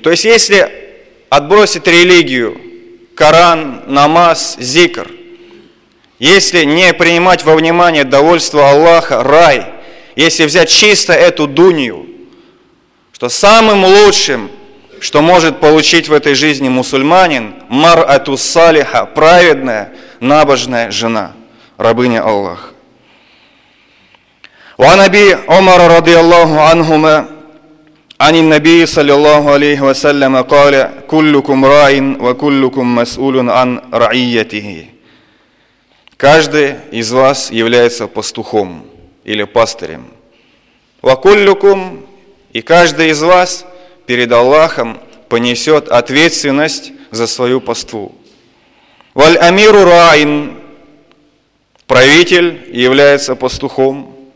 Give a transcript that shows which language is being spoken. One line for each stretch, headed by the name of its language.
Russian: То есть, если отбросить религию, Коран, намаз, зикр, если не принимать во внимание довольство Аллаха, рай, если взять чисто эту дунью, что самым лучшим, что может получить в этой жизни мусульманин,
Arabic: мар'ату салиха,
Russian: праведная, набожная жена, рабыня Аллаха.
Arabic: وعن أبي عمر رضي الله عنهما عن النبي صلى الله عليه وسلم قال كلكم راع وكلكم مسؤول عن رعيته.
Russian: Каждый из вас является пастухом или пастырем.
Arabic: وكلكم,
Russian: и каждый из вас перед Аллахом понесет ответственность за свою паству.
Arabic: والأمير راع,
Russian: правитель является пастухом.